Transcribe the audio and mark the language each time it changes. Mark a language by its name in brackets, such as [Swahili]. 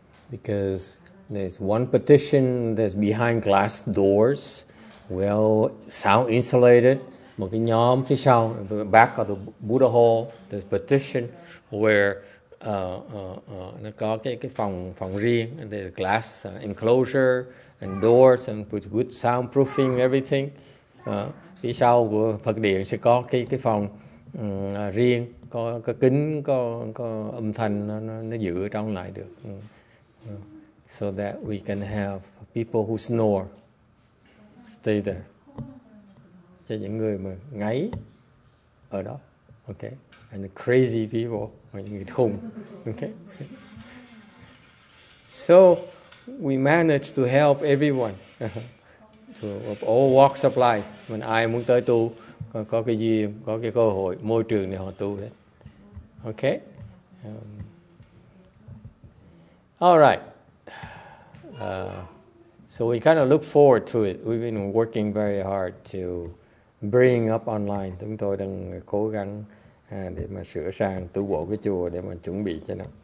[English] Because there's one partition that's behind glass doors, well sound insulated. [Vietnamese] Một cái nhóm phía sau, [English] back of the Buddha hall, there's partition where [Vietnamese] nó có cái phòng riêng, [English] and there's glass enclosure and doors and with good soundproofing everything. [Vietnamese] Phía sau của Phật điện sẽ có cái phòng riêng, có kính, có âm thanh nó giữ ở trong lại được. [English] So that we can have people who snore stay there. [Vietnamese] Cho những người mà ngáy ở đó. Okay. [English] And the crazy people, [Vietnamese] những người khùng. [English] Okay. So we managed to help everyone. So of all walks of life, when [Vietnamese] ai muốn tới tu, có cái gì, có cái cơ hội, môi trường để họ tu hết. Okay. All right. [English] So we kind of look forward to it. We've been working very hard to bring up online. [Vietnamese] Chúng tôi đang cố gắng để mà sửa sang tu bổ cái chùa để mà chuẩn bị cho nó.